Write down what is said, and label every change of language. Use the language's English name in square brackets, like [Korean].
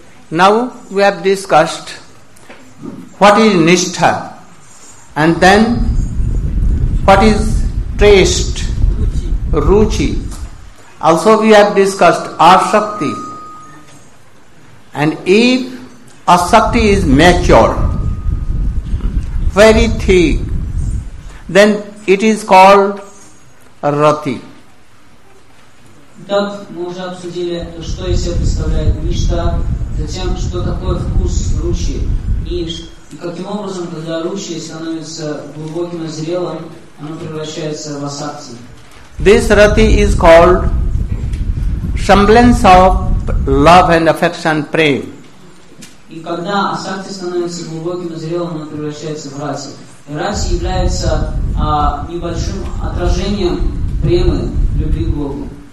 [English] Now we have discussed what is nishtha and then what is taste, ruchi. Also we have discussed asakti, and if asakti is mature, very thick, then it is called rati. [Russian] Итак, мы уже обсудили, что из себя представляет ништа, затем, что такое вкус ручи, и каким образом, когда ручи становится глубоким и зрелым, оно превращается в асакти. [English] This rati is called semblance of love and affection, prem. [Russian] И когда асакти становится глубоким и зрелым, она превращается в раси. Раси является небольшим отражением премы, любви к Богу.